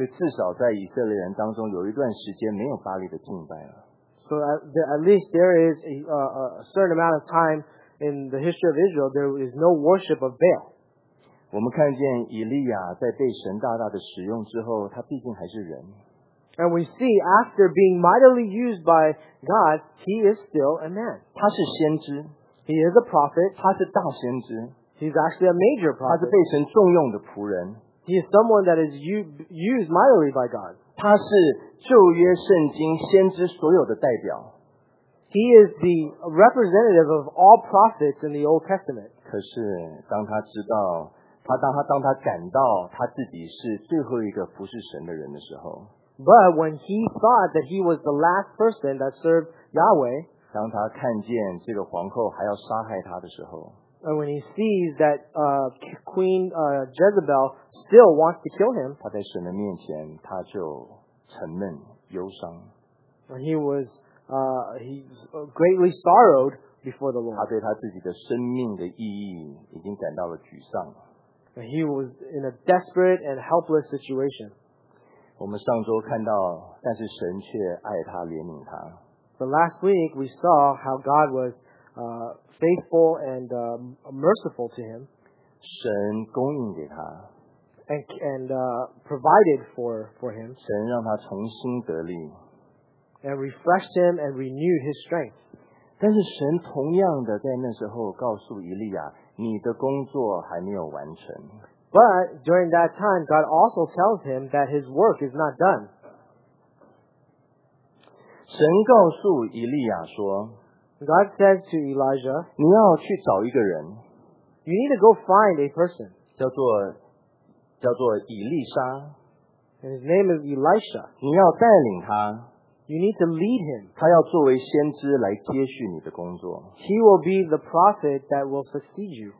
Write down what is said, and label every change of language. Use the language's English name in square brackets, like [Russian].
[Chinese] 所以至少在以色列人当中有一段时间没有巴利的敬拜了。 [English] So at least there is a certain amount of time in the history of Israel there is no worship of Baal. [Chinese] 我们看见以利亚在被神大大的使用之后他毕竟还是人。 [English] And we see after being mightily used by God, he is still a man. [Chinese] 他是先知。 [English] He is a prophet. [Chinese] 他是大先知。 [English] He's actually a major prophet. [Chinese] 他是被神重用的仆人。 [English] He is someone that is used mightily by God. [Chinese] 他是旧约圣经先知所有的代表。 [English] He is the representative of all prophets in the Old Testament. [Chinese] 可是当他知道当他感到他自己是最后一个服侍神的人的时候。 [English] But when he thought that he was the last person that served Yahweh. [Chinese] 当他看见这个皇后还要杀害他的时候。 [English] And when he sees that Queen Jezebel still wants to kill him, [Chinese] 他在神的面前他就沉闷忧伤。 [English] And he was he's greatly sorrowed before the Lord. [Chinese] 他对他自己的生命的意义已经感到了沮丧。 [English] And he was in a desperate and helpless situation. [Chinese] 我们上周看到，但是神却爱他，怜悯他。 [English] But last week we saw how God was faithful and merciful to him. [Chinese] 神供应给他, [English] and provided for him. [Chinese] 神让他重新得力, [English] and refreshed him and renewed his strength. [Chinese] 但是神同样的在那时候告诉以利亚, 你的工作还没有完成。 [English] But during that time, God also tells him that his work is not done. [Chinese] 神告诉以利亚说, [English] God says to Elijah, [Chinese] 你要去找一个人, [English] you need to go find a person. [Chinese] 叫做以利沙, [English] and his name is Elisha. [Chinese] 你要带领他, [English] you need to lead him. [Chinese] 他要作为先知来接续你的工作。 [English] He will be the prophet that will succeed you.